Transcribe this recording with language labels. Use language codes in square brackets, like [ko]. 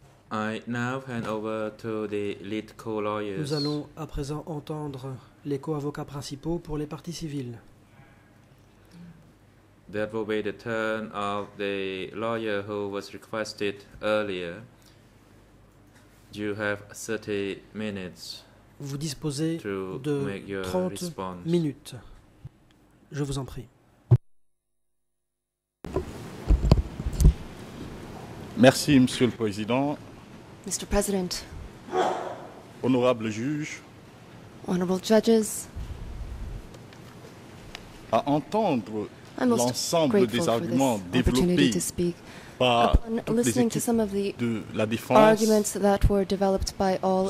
[en] I now hand over to the lead co-lawyers. [fr] Nous allons à présent entendre les co-avocats principaux pour les parties civiles. [en] That will be the turn of the lawyer who was requested earlier. You have 30 minutes. [fr] Vous disposez de 30 minutes. Je vous en prie. Merci, Monsieur le Président. [en] Mr. President. [fr] Honorable juge. [en] Honorable judges. [fr] À entendre l'ensemble des arguments développés par toutes les équipes de la défense [en] arguments that were developed by all